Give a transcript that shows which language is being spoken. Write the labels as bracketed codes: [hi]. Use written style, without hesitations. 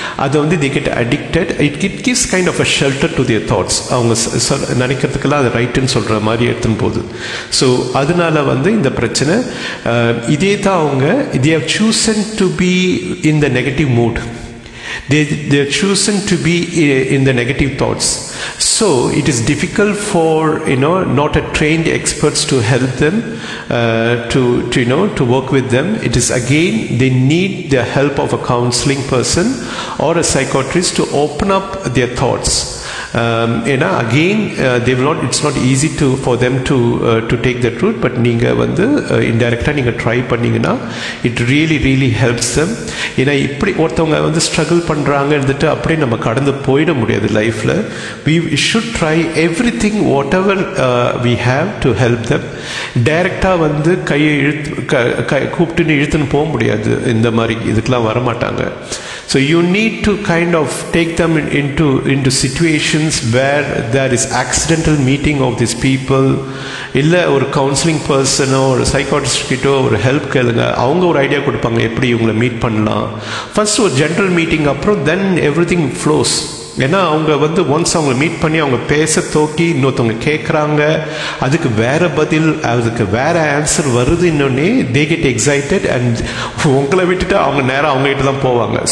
[ta] அதை வந்து [en] They get addicted, it gives kind of a shelter to their thoughts. [ta] அவங்க நினைக்கிறதுக்கெல்லாம் அதை ரைட்டுன்னு சொல்கிற மாதிரி எடுத்துன்னு போகுது. [en] so [ta] அதனால வந்து இந்த பிரச்சனை, இதே தான் அவங்க [en] They have chosen to be in the negative mood, they are chosen to be in the negative thoughts. So it is difficult for, you know, not a trained experts to help them to you know, to work with them. It is again they need the help of a counseling person or a psychiatrist to open up their thoughts. They will not, it's not easy to for them to take that route, but [ta] neenga vandu indirectly neenga try panninga, [en] it really really helps them. [ta] ஏன்னா இப்படி ஒருத்தவங்க வந்து struggle பண்ணுறாங்க இருந்துட்டு அப்படியே நம்ம கடந்து போயிட முடியாது லைஃப்பில். [en] We should try everything whatever we have to help them. [ta] டைரெக்டாக வந்து கையை இழுத்து கூப்பிட்டுன்னு இழுத்துன்னு போக முடியாது, இந்த மாதிரி இதுக்கெலாம் வரமாட்டாங்க. [en] So you need to kind of take them into situations where there is accidental meeting of these people. [ta] இல்ல ஒரு கவுன்சிலிங் பர்சனோ ஒரு சைக்காட்ரிஸ்ட் கிட்டோ ஒரு ஹெல்ப் கேளுங்க, அவங்க ஒரு ஐடியா கொடுப்பாங்க எப்படி இவங்களை மீட் பண்ணலாம். ஃபர்ஸ்ட் ஒரு ஜென்ரல் மீட்டிங், அப்புறம் [en] Then everything flows. [ta] ஏன்னா அவங்க வந்து ஒன்ஸ் அவங்க மீட் பண்ணி அவங்க பேச தோக்கி இன்னொருத்தவங்க கேட்குறாங்க, அதுக்கு வேற பதில், அதுக்கு வேற ஆன்சர் வருது, இன்னொன்னே [en] they get excited and [ta] உங்களை விட்டுட்டு அவங்க நேரம் அவங்ககிட்ட தான் போவாங்க.